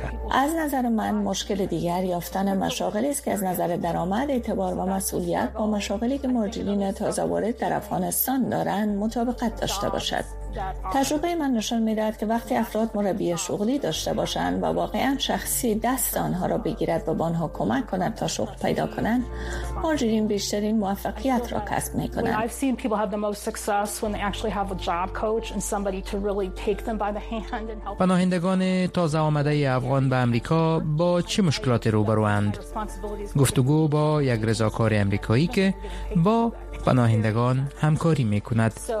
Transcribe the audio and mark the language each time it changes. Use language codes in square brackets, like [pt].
[fa] از نظر من مشکل دیگر یافتن مشاغلی است که از نظر درآمد، اعتبار و مسئولیت با مشاغلی که مهاجرین تازه وارد در افغانستان دارند مطابقت داشته باشد. تجربه من نشان می‌دهد که وقتی افراد مربی شغلی داشته باشند و واقعاً شخصی دست آنها را بگیرد و با آنها کمک کند تا شغل پیدا کنند، مهاجرین بیشترین موفقیت را کسب می‌کنند. [en] I've seen people have the most success when they actually have a job coach and somebody to really take them by the hand and help. [fa] پناهندگان تازه آمده افغان به آمریکا با چه مشکلاتی روبرواند؟ گفتگو با یک رضاکار آمریکایی که با پناهندگان همکاری می‌کند.